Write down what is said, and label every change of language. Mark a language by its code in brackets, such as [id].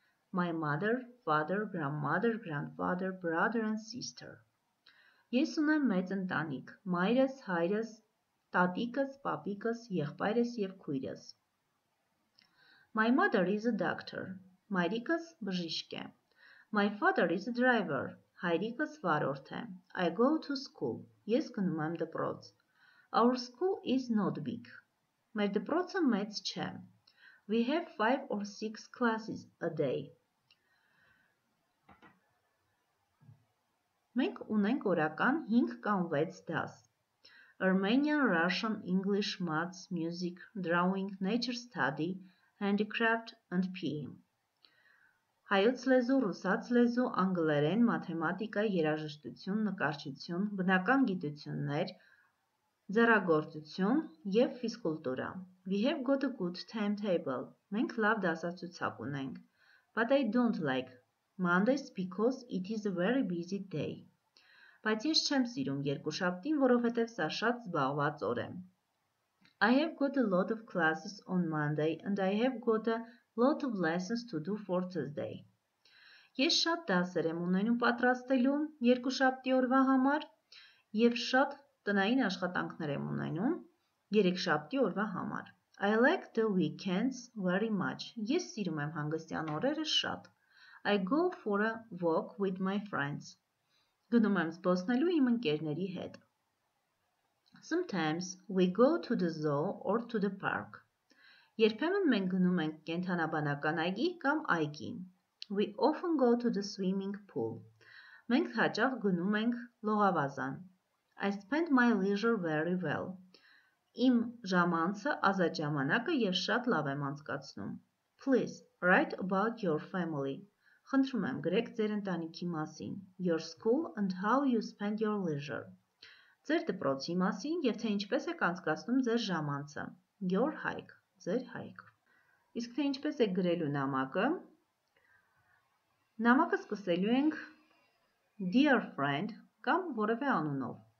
[en] My mother, father, grandmother, grandfather, brother and sister. [hy] Ես ունեմ մեծ ընտանիք. Մայրս, հայրս, տատիկս, պապիկս, եղբայրս եւ քույրս. [en] My mother is a doctor. [hy] Մայրիկս բժիշկ է. [en] My father is a driver. [hy] Հայրիկս վարորդ է. [en] I go to school. [hy] Ես գնում եմ դպրոց. [en] Our school is not big. [hy] Մեր դպրոցը մեծ չէ. [en] We have 5 or 6 classes a day. [hy] Մենք ունենք օրական 5 կամ 6 դաս. [en] Armenian, Russian, English, Maths, Music, Drawing, Nature Study, Handicraft and PE. [hy] Հայոց լեզու, ռուսաց լեզու, անգլերեն, մաթեմատիկա, երաժշտություն, նկարչություն, բնական գիտություններ, ձեռագործություն եւ ֆիզկուլտուրա. [en] We have got a good timetable. [hy] Մենք լավ դասացուցակ ունենք. [en] But I don't like Mondays because it is a very busy day. [hy] Բայց ես չեմ սիրում երկուշաբթին, որովհետեւ սա շատ զբաղված օր է. [en] I have got a lot of classes on Monday and I have got a lot of lessons to do for Thursday. [hy] Ես շատ դասեր եմ ունենում պատրաստելու երկուշաբթի օրվա համար եւ շատ տնային աշխատանքներ եմ ունենում երեքշաբթի օրվա համար. [en] I like the weekends very much. [hy] Ես սիրում եմ հանգստյան օրերը շատ. [en] I go for a walk with my friends. [hy] Գնում եմ զբոսնելու իմ ընկերների հետ. [en] Sometimes we go to the zoo or to the park. [hy] Երբեմն մենք գնում ենք կենդանաբանական այգի կամ այգի. [en] We often go to the swimming pool. [hy] Մենք հաճախ գնում ենք լողավազան. [en] I spend my leisure very well. [hy] Իմ ժամանցը, ազատ ժամանակը ես շատ լավ եմ անցկացնում. [en] Please write about your family. [hy] Խնդրում եմ գրեք ձեր ընտանիքի մասին. [en] Your school and how you spend your leisure. [hy] Ձեր դպրոցի մասին եւ թե ինչպես եք անցկացնում ձեր ժամանցը. [en] Your hike. [hy] Ձեր hike. Իսկ թե ինչպես եք գրելու նամակը? Նամակը սկսելու ենք [en] Dear friend [hy] կամ որևէ անունով.